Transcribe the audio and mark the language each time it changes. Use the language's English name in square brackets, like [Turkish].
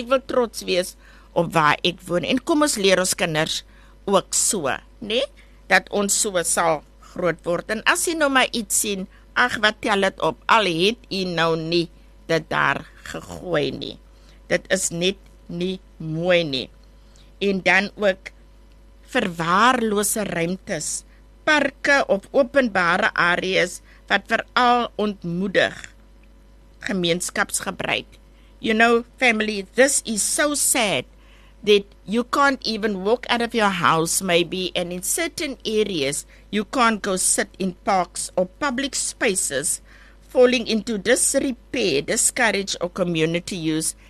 [Afrikaans] Ek wil trots wees op waar ek woon. En kom ons leer ons kinders ook so, nie? Dat ons so sal groot word, en as jy nou maar iets sien, ach, wat tel het op, al het jy nou nie dit daar gegooi nie. Dit is net nie mooi nie. En dan ook verwaarlose ruimtes, parke of openbare areas, wat veral ontmoedig gemeenskapsgebruik. [English] You know, family, this is so sad that you can't even walk out of your house maybe, and in certain areas you can't go sit in parks or public spaces falling into disrepair, discourage or community use.